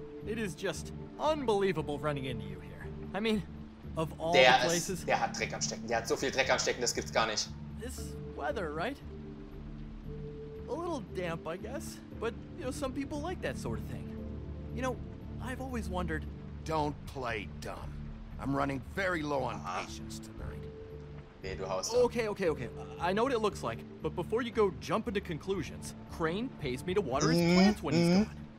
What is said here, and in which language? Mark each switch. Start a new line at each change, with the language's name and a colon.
English: It is just unbelievable running into you here. I mean, of all
German: der
English: the places.
German: Ist, der hat Dreck am Stecken. Der hat so viel Dreck am Stecken, das gibt's gar nicht.
English: This weather, right? A little damp, I guess. But, you know, some people like that sort of thing. You know, I've always wondered. Don't play dumb. I'm running very low on patience tonight.
German: Nee, du haust
English: okay, okay, okay. I know what it looks like. But before you go jump into conclusions, Crane pays me to water his plants when he's gone.